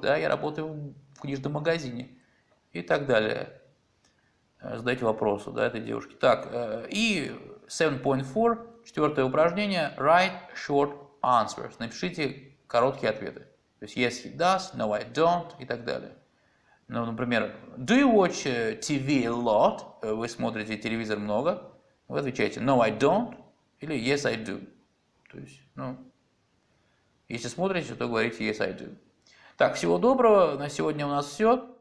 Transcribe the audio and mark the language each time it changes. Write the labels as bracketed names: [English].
[Russian] Да, я работаю в книжном магазине. И так далее. Задайте вопросы, да, этой девушке. Так, и 7.4, четвертое упражнение, [English] write short answers. [Russian] Напишите короткие ответы. То есть, [English] yes, he does, no, I don't, [Russian] и так далее. Ну, например, [English] do you watch TV a lot? [Russian] Вы смотрите телевизор много. Вы отвечаете, [English] no, I don't, [Russian] или [English] yes, I do. [Russian] То есть, ну, если смотрите, то говорите, [English] yes, I do. [Russian] Так, всего доброго, на сегодня у нас все.